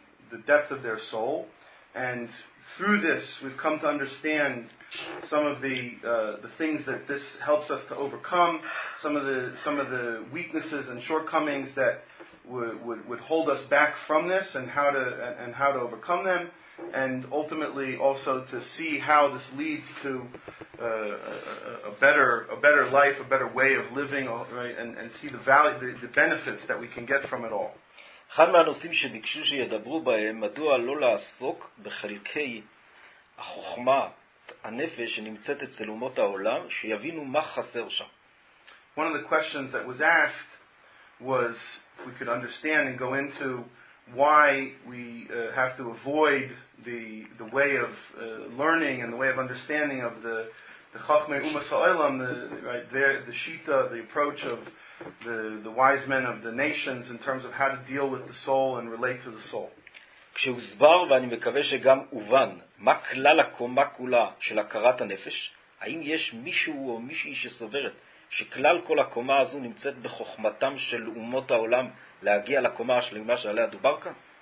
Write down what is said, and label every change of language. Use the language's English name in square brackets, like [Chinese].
[English] the depth of their soul, and through this we've come to understand some of the things that this helps us to overcome, some of the weaknesses and shortcomings that would hold us back from this, and how to overcome them, and ultimately also to see how this leads to a better life, a better way of living, right, and see the value, the benefits that we can get from it all. [Hebrew] אחד מהנושאים שביקשו שידברו בהם, מדוע לא לעסוק בחלקי החוכמה הנפש שנמצאת אצל אומות העולם, שיבינו מה חסר שם. [English] One of the questions that was asked was if we could understand and go into why we have to avoid the way of learning and the way of understanding of the Chachmei Umas HaOlam, the Shita, the approach of the wise men of the nations in terms of how to deal with the soul and relate to the soul. [Hebrew] כשהוסבר, ואני מקווה שגם הובן, מה כלל הקומה כולה של הכרת הנפש, האם יש מישהו או מישהי שסוברת שכלל כל הקומה הזו נמצאת בחוכמתם של אומות העולם להגיע לקומה השלימה שעליה דובר כאן?